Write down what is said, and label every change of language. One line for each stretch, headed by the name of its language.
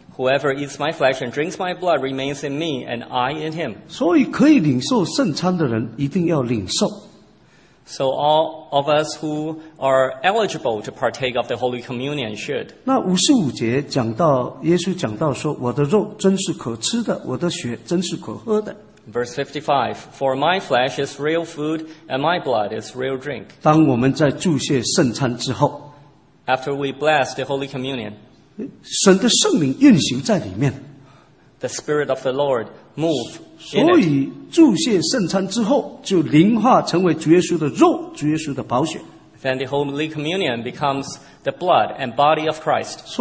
English: Whoever eats my flesh and drinks my blood remains in me and I in him.
Chinese: 所以可以领受圣餐的人一定要领受。
English: So all of us who are eligible to partake of the Holy Communion should.
Chinese: 那55节讲到，耶稣讲到说， 我的肉真是可吃的， 我的血真是可喝的。
English: Verse 55, For my flesh is real food, and my blood is real drink.
Chinese: 当我们在祝谢圣餐之后，
English: After we bless the Holy Communion,
Chinese: 神的圣灵运行在里面。
English: The Spirit of the Lord move.
Chinese: 所以祝谢圣餐之后，就灵化成为主耶稣的肉，主耶稣的宝血。
English: Then the Holy Communion becomes the blood and body of Christ.